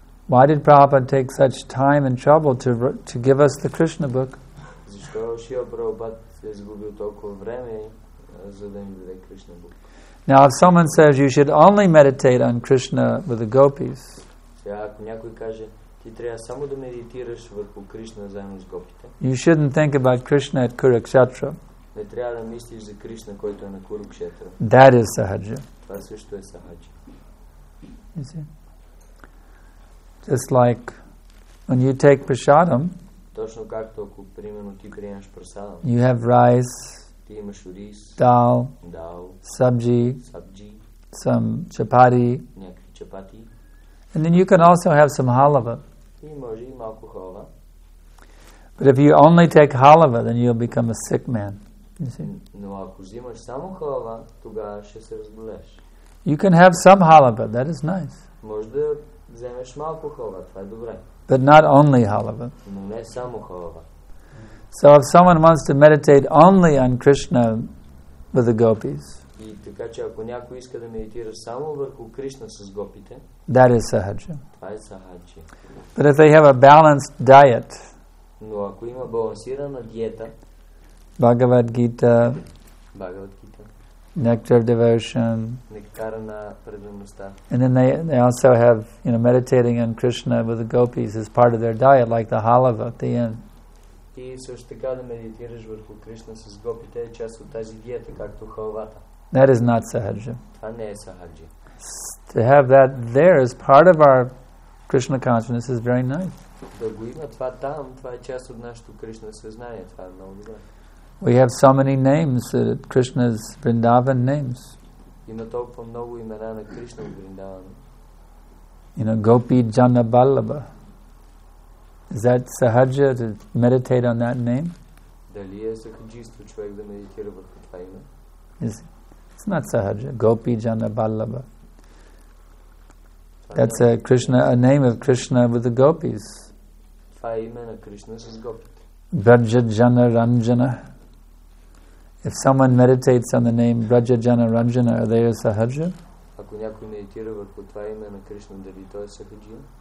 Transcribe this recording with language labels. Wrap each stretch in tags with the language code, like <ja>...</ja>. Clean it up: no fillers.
<en>Why did Prabhupada take such time and trouble to give us the Krishna book?</en> <bg>Защо Шрила Прабхупада е загубил толкова време, за да ни даде Кришна book?</bg> <en>Now, if someone says you should only meditate on Krishna with the gopis,</en> <bg>ако някой каже, ти трябва само да медитираш върху Кришна заедно с гопите,</bg> <en>you shouldn't think about Krishna at Kurukshetra.</en> <bg>Не трябва да мислиш за Кришна, който е на Курукшетра.</bg> <en>That is sahaja.</en> <bg>Това също е сахаджа.</bg> <en>You see? Just like when you take prasadam,</en> <bg>точно както ако примерно ти приемаш прасадам,</bg> <en>you have rice,</en> <bg>ти имаш рис, дал, сабджи,</bg> <en>some chapati,</en> <bg>някакви чапати.</bg> <en>And then you can also have some halava.</en> <bg>И може и малко халва.</bg> <en>But if you only take halava, then you'll become a sick man. You see?</en> <bg>Но ако взимаш само халва, тогава ще се разболееш.</bg> <en>You can have some halava, that is nice.</en> <bg>Може да вземеш малко халва, това е добре.</bg> <en>But not only halava.</en> <bg>Но не само халва.</bg> <en>So if someone wants to meditate only on Krishna with the gopis,</en> <bg>и така че ако някой иска да медитира само върху Кришна с гопите,</bg> <en>that is sahaja.</en> <bg>Това е сахаджа.</bg> <en>But if they have a balanced diet,</en> <bg>но ако има балансирана диета,</bg> <en>Bhagavad Gita, nectar of devotion,</en> <bg>nectar на преданността,</bg> <en>and then they also have, you know, meditating on Krishna with the gopis as part of their diet, like the halava at the end.</en> <bg>И също така да медитираш върху Кришна с гопите е част от тази диета, както халвата.</bg> <en>That is not sahaja.</en> <bg>Това не е сахаджа.</bg> <en>To have that there as part of our Krishna consciousness is very nice.</en> <bg>Да го има това там, това е част от нашето Кришна съзнание, това е много добре.</bg> <en>We have so many names, Krishna's Vrindavan names.</en> <bg>Има толкова много имена на Кришна в Вриндаван.</bg> <en>You know, Gopi Jana Ballabha. Is that sahaja to meditate on that name?</en> <bg>Дали е сахаджиство човек да медитира върху това име?</bg> <en>It's not sahaja. Gopi Jana Ballabha. That's a Krishna, a name of Krishna with the gopis.</en> <bg>Това е име на Кришна с гопите.</bg> <en>Braja Jana Ranjana. If someone meditates on the name Braja Jana Ranjana, are they a sahaja?</en> <bg>Ако някой медитира върху това име на Кришна, дали той е сахаджи?</bg>